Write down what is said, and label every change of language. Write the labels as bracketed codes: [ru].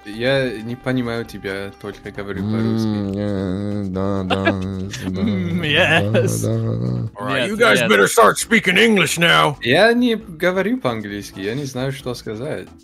[ru] Я не понимаю тебя, только говорю по-русски. [en] Yes. Alright, you guys better start speaking English now. [ru] Я не говорю по-английски, я не знаю, что сказать.